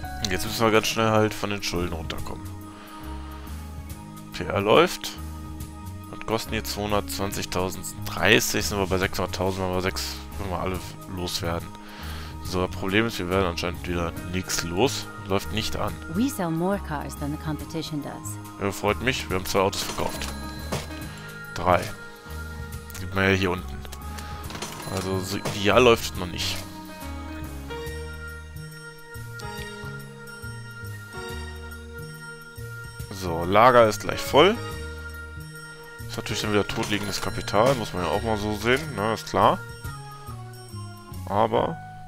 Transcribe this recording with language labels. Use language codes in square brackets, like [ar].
[de] Jetzt müssen wir ganz schnell halt von den Schulden runterkommen. PR läuft. Was kosten hier 220.000? 30 sind wir bei 600.000, wenn wir 6, wenn wir alle loswerden. So, das Problem ist, wir werden anscheinend wieder nichts los. Läuft nicht an. [en] We sell more cars than the competition does. [de] Ja, freut mich, wir haben 2 Autos verkauft. 3. Sieht man ja hier unten. Also, so ideal läuft es noch nicht. So, Lager ist gleich voll. Ist natürlich dann wieder totliegendes Kapital, muss man ja auch mal so sehen, ne, ist klar. Aber.